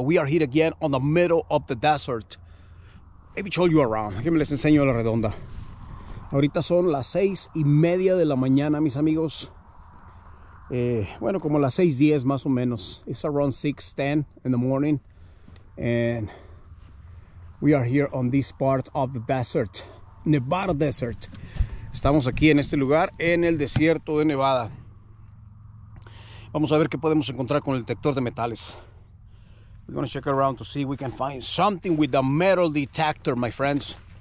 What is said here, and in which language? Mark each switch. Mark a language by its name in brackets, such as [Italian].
[English] We are here again on the middle of the desert. Let me show you around. [Spanish] Déjenme les enseño la redonda. Ahorita son las 6:30 de la mañana, mis amigos. Bueno, como las 6:10 más o menos. [English] It's around 6:10 in the morning. And we are here on this part of the desert. Nevada Desert. [Spanish] Estamos aquí en este lugar, en el desierto de Nevada. Vamos a ver qué podemos encontrar con el detector de metales. [English] We're going to check around to see if we can find something with the metal detector, my friends.